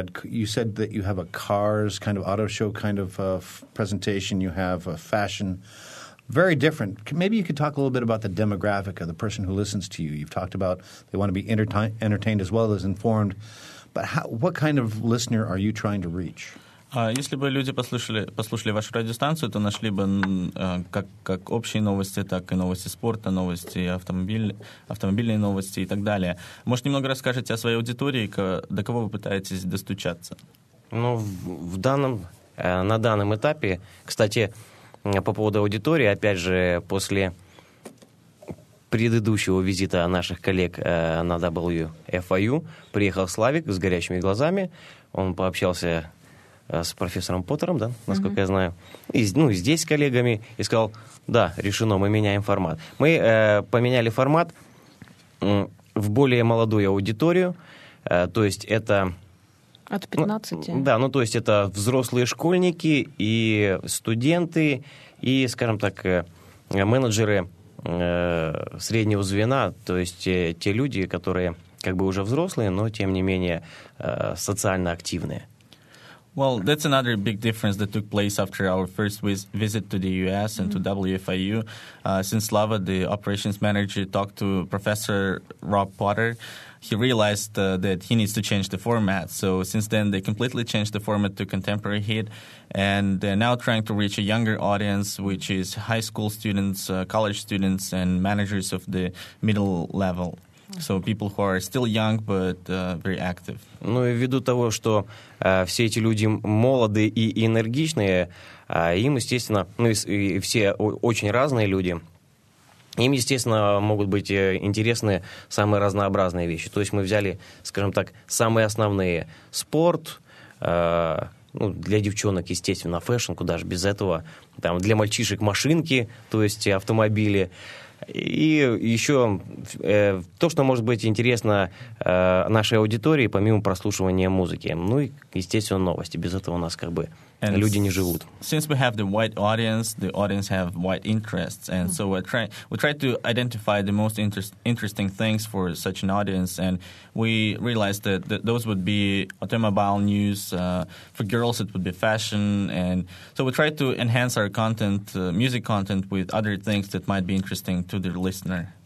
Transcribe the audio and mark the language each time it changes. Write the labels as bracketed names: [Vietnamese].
[English] You said that you have a cars kind of auto show kind of presentation. You have a fashion. Very different. Maybe you could talk a little bit about the demographic of the person who listens to you. You've talked about they want to be entertained as well as informed. But what kind of listener are you trying to reach? [Russian] Если бы люди послушали вашу радиостанцию, то нашли бы как общие новости, так и новости спорта, новости автомобильные новости и так далее. Может, немного расскажете о своей аудитории, до кого вы пытаетесь достучаться? Ну, на данном этапе, кстати, по поводу аудитории, опять же, после предыдущего визита наших коллег на WFIU, приехал Славик с горящими глазами. Он пообщался с профессором Поттером, да, насколько я знаю, и здесь с коллегами, и сказал, да, решено, мы меняем формат. Мы поменяли формат в более молодую аудиторию, то есть это... От 15? То есть это взрослые школьники и студенты, и, скажем так, менеджеры среднего звена, то есть те люди, которые как бы уже взрослые, но тем не менее социально активные. [English] Well, that's another big difference that took place after our first visit to the U.S. and to WFIU. Since Slava, the operations manager, talked to Professor Rob Potter, he realized that he needs to change the format. So since then, they completely changed the format to contemporary hit, and they're now trying to reach a younger audience, which is high school students, college students, and managers of the middle level. So people who are still young, but very active. [Russian] Ну и ввиду того, что все эти люди молоды и энергичные, им, естественно, и все очень разные люди, им, естественно, могут быть интересны самые разнообразные вещи. То есть мы взяли, скажем так, самые основные спорт, для девчонок, естественно, фэшн, куда же без этого, там, для мальчишек машинки, то есть автомобили. И еще то, что может быть интересно нашей аудитории, помимо прослушивания музыки. Ну и, естественно, новости. Без этого у нас как бы [English] and [Russian] люди не живут. [English] Since we have the white audience, the audience have white interests. And so we try to identify the most interesting things for such an audience. And we realized that those would be automobile news. For girls it would be fashion. And so we try to enhance our content, music content, with other things that might be interesting to the listener.